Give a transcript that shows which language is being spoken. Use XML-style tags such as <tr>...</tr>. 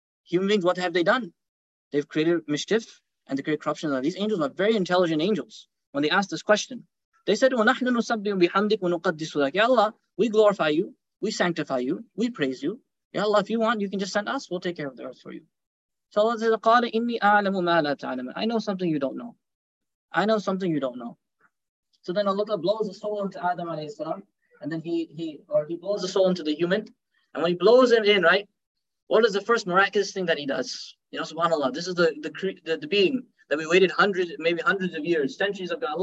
<en>Human beings, what have they done? They've created mischief and they create corruption. These angels are very intelligent angels. When they asked this question, they said,</en> <ar>وَنَحْنُ نُسَبِّحُ بِحَمْدِكَ وَنُقَدِّسُ لَكَ.</ar> <en>Ya Allah, we glorify you, we sanctify you, we praise you. Ya Allah, if you want, you can just send us, we'll take care of the earth for you.</en> <ar>So Allah says, قَالَ إِنِّي أَعْلَمُ مَا لَا تَعْلَمُ.</ar> <en>I know something you don't know. I know something you don't know. So then Allah blows the soul into Adam alayhi salam, and then he blows the soul into the human. And when he blows him in, right, what is the first miraculous thing that he does? You know, subhanAllah, this is the being that we waited hundreds, maybe hundreds of years, centuries of God.</en>